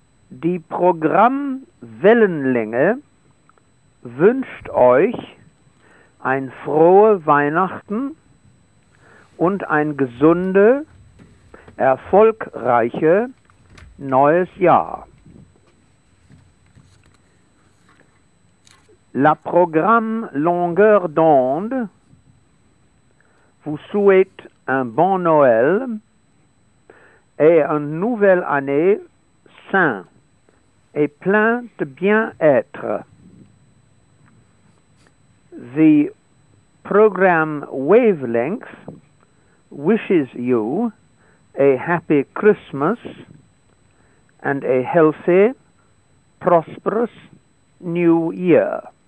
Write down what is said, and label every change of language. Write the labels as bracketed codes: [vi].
[de] Die Programmwellenlänge wünscht euch ein frohe Weihnachten und ein gesunde, erfolgreiche neues Jahr. [fr] La programme longueur d'onde vous souhaite un bon Noël et une nouvelle année sain et plein de bien-être. [en] The program Wavelength wishes you a happy Christmas and a healthy, prosperous new year.